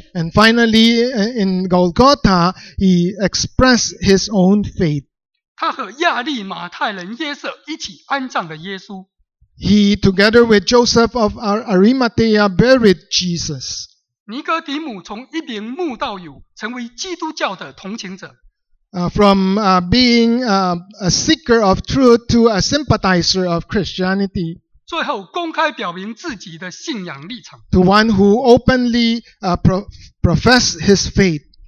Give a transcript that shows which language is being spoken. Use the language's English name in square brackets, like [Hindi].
[English] And finally, in Golgotha, he expressed his own faith. [Chinese] 他和亚利马太人约瑟一起安葬了耶稣。 [English] He together with Joseph of Arimathea buried Jesus. [Chinese] 尼哥底母从一名慕道友成为基督教的同情者。 [English] From being a seeker of truth to a sympathizer of Christianity. [Chinese] 最后公开表明自己的信仰立场。 [English] To one who openly profess his faith.